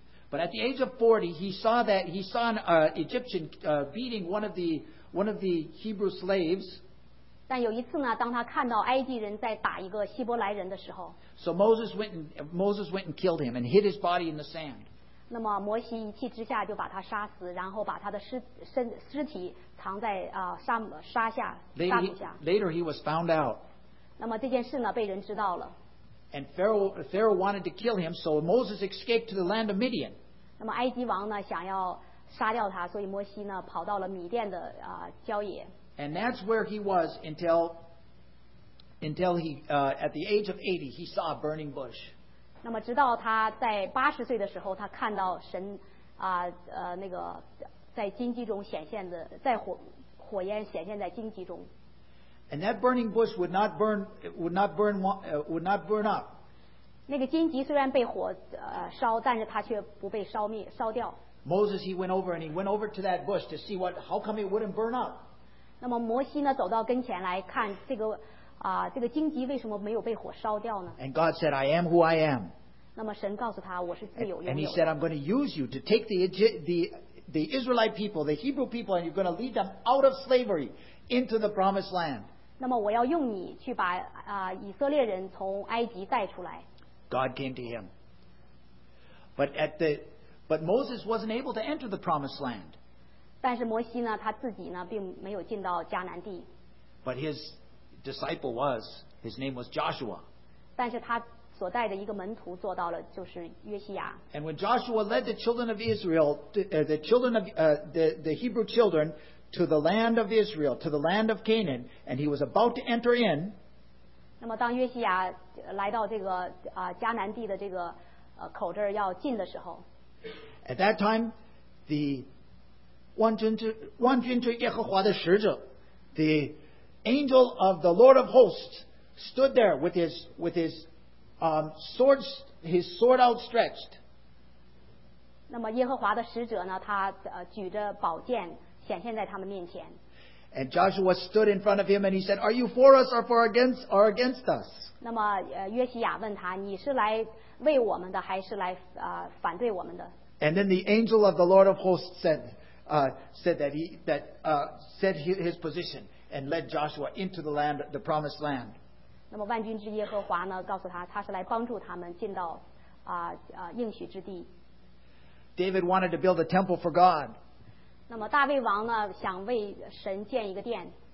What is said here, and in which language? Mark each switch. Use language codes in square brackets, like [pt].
[en] But at the age of 40, he saw an Egyptian beating one of the Hebrew slaves. [zh] 但有一次呢，当他看到埃及人在打一个希伯来人的时候 [en] ，So Moses went and killed him and hid his body in the sand. [zh] 那么摩西一气之下就把他杀死，然后把他的尸体藏在沙土下。 [en] Later he was found out. [zh] 那么这件事呢，被人知道了。 [en] And Pharaoh wanted to kill him, so Moses escaped to the land of Midian. [zh] 那么埃及王呢想要杀掉他，所以摩西呢跑到了米甸的郊野。 [en] And that's where he was until he at the age of 80 he saw a burning bush. [zh] 那么直到他在八十岁的时候，他看到神那个在荆棘中显现的，在火焰显现在荆棘中。 [en] And that burning bush would not burn up. [zh] 那个荆棘虽然被火烧，但是它却不被烧灭烧掉。 [en] Moses he went over to that bush to see how come it wouldn't burn up. [zh] 那么摩西呢走到跟前来看这个荆棘为什么没有被火烧掉呢？ [en] And God said, I am who I am. [zh] 那么神告诉他我是自由拥有。 [en] And he said, I'm going to use you to take the Israelite people, the Hebrew people, and you're going to lead them out of slavery. Into the promised land. [zh] 那么我要用你去把以色列人从埃及带出来。 [en] God came to him, but Moses wasn't able to enter the promised land. [zh] 但是摩西呢，他自己呢，并没有进到迦南地。 [en] But his disciple was. His name was Joshua. [zh] 但是他所带的一个门徒做到了，就是约西亚。 [en] And when Joshua led the children of Israel, the Hebrew children. To the land of Israel, to the land of Canaan, and he was about to enter in. [zh] 那么，当约西亚来到这个迦南地的这个口这儿要进的时候 [en] ，At that time, the [zh] 万军之耶和华的使者 [en] ，the angel of the Lord of hosts stood there with his sword outstretched. [zh] 那么，耶和华的使者呢？他举着宝剑。 [en] And Joshua stood in front of him and he said, Are you for us or against us? [zh] 那么约西亚问他，你是来为我们的还是来反对我们的？ [en] And then the angel of the Lord of hosts said his position and led Joshua into the land, the promised land. [zh] 那么万军之耶和华呢，告诉他，他是来帮助他们进到应许之地。 [en] David wanted to build a temple for God. [zh] 那么大卫王呢想为神建一个殿。